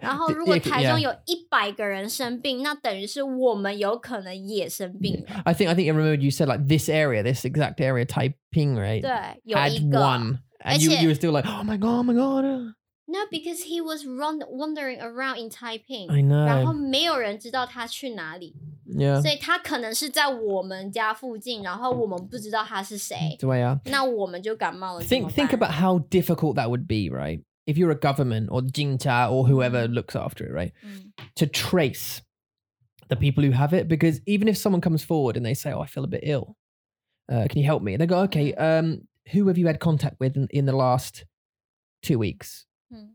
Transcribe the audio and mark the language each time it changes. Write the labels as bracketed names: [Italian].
[Chinese] 然后如果台中有100个人生病 那等于是我们有可能也生病 [English] yeah. I think I remember you said like this area this exact area Taiping right [Chinese] 对有一个 [English] had one and [Chinese] 而且, [English] you were still like oh my god oh my god no because he was wandering around in Taiping I know [Chinese] 然后没有人知道他去哪里 [English] Yeah. [Chinese] 所以他可能是在我们家附近 然后我们不知道他是谁对啊那我们就感冒了 [English] think about how difficult that would be, right? If you're a government or 警察 or whoever looks after it, right? Mm. To trace the people who have it because even if someone comes forward and they say, oh, I feel a bit ill can you help me? And they go, okay, who have you had contact with in the last 2 weeks? Mm.